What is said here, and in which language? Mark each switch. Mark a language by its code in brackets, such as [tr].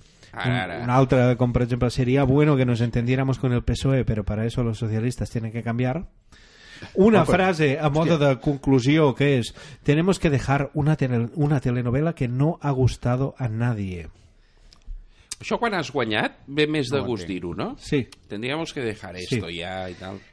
[ca] Una altra, com per exemple, [es] seria bueno que nos entendiéramos con el PSOE, pero para eso los socialistas tienen que cambiar. Una frase a modo de [ca] conclusió, que és: [es] tenemos que dejar una telenovela que no ha gustado a nadie. [ca] Això quan has guanyat ve més de gust dir-ho, no? Sí. [es] Tendríamos que dejar esto ya y tal.